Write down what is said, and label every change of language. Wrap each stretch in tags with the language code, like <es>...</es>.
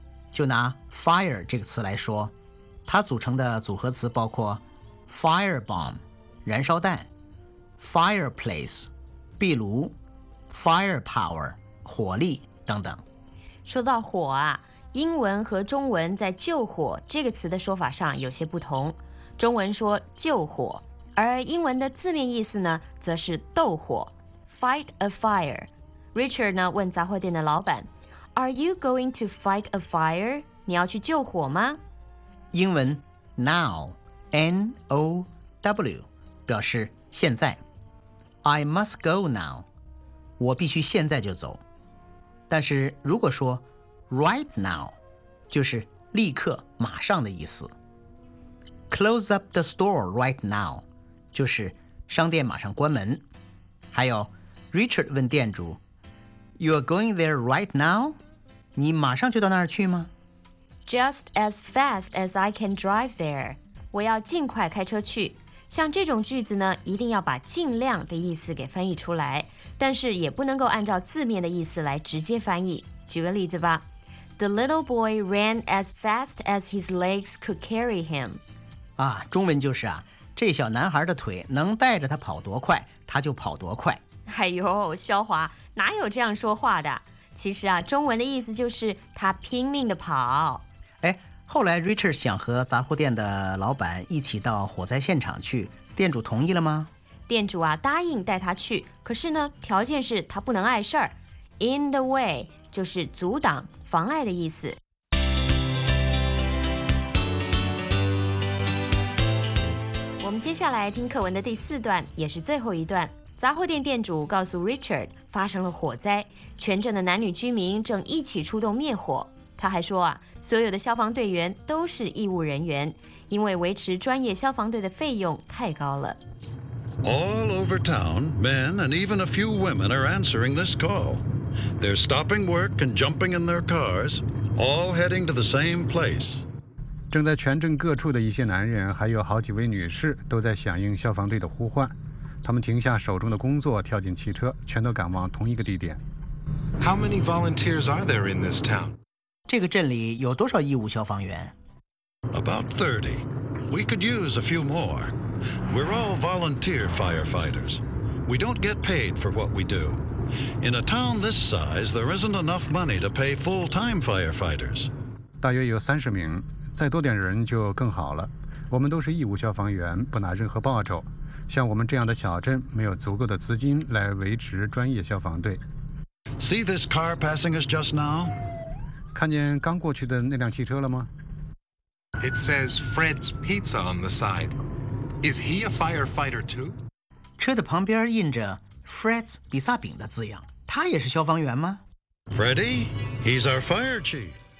<zh>就拿 fire 这个词来说，它组成的组合词包括 firebomb 燃烧弹、 fireplace 壁炉、 firepower 火力等等。说到火啊，英文和中文在救火这个词的说法上有些不同，中文说救火，而英文的字面意思呢则是斗火，</zh> <en>fight a fire。</en> <zh>Richard 呢问杂货店的老板，</zh> <en>Are you going to fight a fire?</en> <zh>你要去救火吗？英文 now N-O-W 表示现在，</zh> <en>I must go now，</en> <zh>我必须现在就走。但是如果说 right now， 就是立刻马上的意思。</zh> <en>Close up the store right now</en> <zh>就是商店马上关门。还有 Richard 问店主，</zh> <en>You are going there right now?</en> <zh>你马上就到那儿去吗？</zh> <en>Just as fast as I can drive there，</en> <zh>我要尽快开车去。像这种句子呢，一定要把尽量的意思给翻译出来，但是也不能够按照字面的意思来直接翻译。举个例子吧，</zh> <en>The little boy ran as fast as his legs could carry him。</en> <zh>啊，中文就是啊，这小男孩的腿能带着他跑多快他就跑多快。哎呦，萧华哪有这样说话的，其实啊，中文的意思就是他拼命的跑。哎，后来 Richard 想和杂货店的老板一起到火灾现场去，店主同意了吗？店主啊答应带他去，可是呢条件是他不能碍事儿。 In the way 就是阻挡妨碍的意思。我们接下来听课文的第四段，也是最后一段。杂货店店主告诉 Richard 发生了火灾，全镇的男女居民正一起出动灭火。他还说啊，所有的消防队员都是义务人员，因为维持专业消防队的费用太高了。</zh> <en>All over town, men and even a few women are answering this call. They're stopping work and jumping in their cars, all heading to the same place.</en> <zh>正在全镇各处的一些男人还有好几位女士都在响应消防队的呼唤，他们停下手中的工作，跳进汽车，全都赶往同一个地点。</zh> <en>How many volunteers are there in this town?</en> <zh>这个镇里有多少义务消防员？</zh> <en>About 30. We could use a few more. We're all volunteer firefighters. We don't get paid for what we do. In a town this size, there isn't enough money to pay full-time firefighters.</en> <zh>大约有30名，再多点人就更好了。我们都是义务消防员，不拿任何报酬。像我们这样的小镇，没有足够的资金来维持专业消防队。</zh> <en>See this car passing us just now?</en> <zh>看见刚过去的那辆汽车了吗？</zh> <en>It says Fred's Pizza on the side. Is he a firefighter too?</en> <zh>车的旁边印着 Fred's 比萨饼的字样，他也是消防员吗？</zh> <en>Freddy, he's our fire chief.</en>